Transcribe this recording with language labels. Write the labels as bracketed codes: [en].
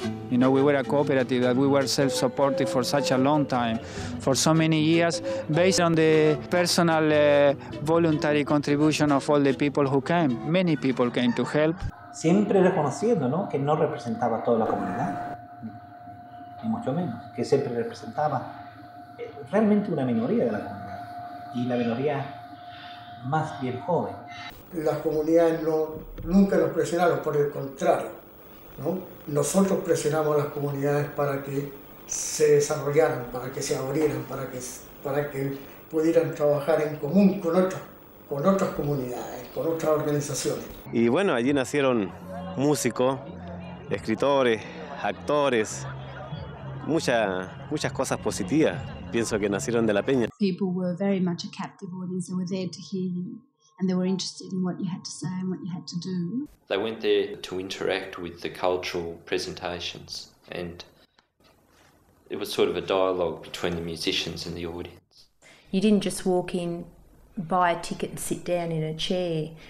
[en] You know, we were a cooperative, that we were self-supportive for such a long time, for so many years, based on the personal voluntary contribution of all the people who came. Many people came to help. [es] Siempre reconociendo, ¿no?, que no representaba toda la comunidad, ni mucho menos, que siempre representaba realmente una minoría de la comunidad, y la minoría más bien joven. Las comunidades nunca nos presionaron, por el contrario, ¿no? Nosotros presionamos a las comunidades para que se desarrollaran, para que se abrieran, para que pudieran trabajar en común con otras comunidades, con otras organizaciones. Y bueno, allí nacieron músicos, escritores, actores, muchas cosas positivas. pienso que nacieron de la peña. [en] People were very much a captive audience. They were there to hear you, and they were interested in what you had to say and what you had to do. They went there to interact with the cultural presentations, and it was sort of a dialogue between the musicians and the audience. You didn't just walk in, buy a ticket and sit down in a chair.